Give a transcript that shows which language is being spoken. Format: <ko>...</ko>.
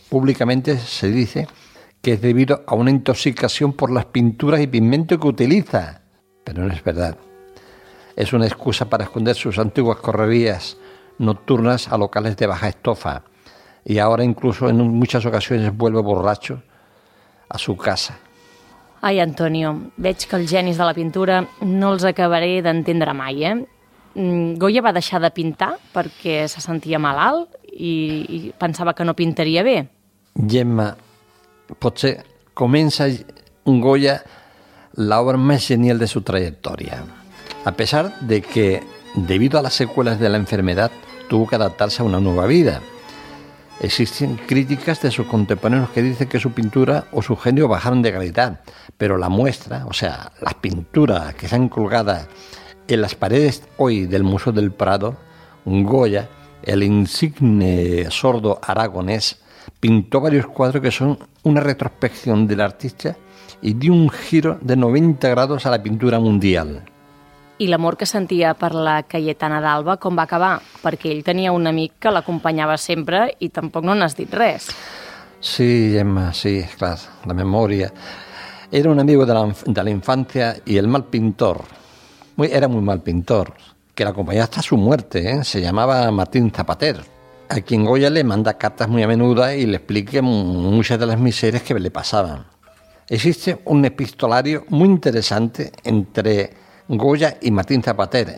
<es>Públicamente se dice que es debido a una intoxicación por las pinturas y pigmento que utiliza. Pero no es verdad. Es una excusa para esconder sus antiguas correrías nocturnas a locales de baja estofa. Y ahora incluso en muchas ocasiones vuelve borracho a su casa.</es> <ca>Ai, Antonio, veig que els genis de la pintura no els acabaré d'entendre mai, eh? Goya va deixar de pintar perquè se sentia malalt i pensava que no pintaria bé. Gemma, potser comença Goya l'obra més genial de su trajectòria.</ca> <es>A pesar de que, debido a las secuelas de la enfermedad, tuvo que adaptarse a una nueva vida. Existen críticas de sus contemporáneos que dicen que su pintura o su genio bajaron de calidad, pero la muestra, o sea, las pinturas que se han colgado en las paredes hoy del Museo del Prado, Goya, el insigne sordo aragonés, pintó varios cuadros que son una retrospección del artista y dio un giro de 90 grados a la pintura mundial.</es> <ca>I l'amor que sentia per la Cayetana d'Alba, com va acabar? Perquè ell tenia un amic que l'acompanyava sempre i tampoc no n'has dit res. Sí, Gemma, sí, clar, la memòria.</ca> <es>Era un amigo de la infancia y el mal pintor. Era muy mal pintor,</es> <ca>que l'acompanyava</ca> <es>hasta su muerte. Se llamaba Martín Zapater, a quien Goya le manda cartas muy a menudo y le explica muchas de las miserias que le pasaban. Existe un epistolario muy interesante entre Goya y Martín Zapater.</es>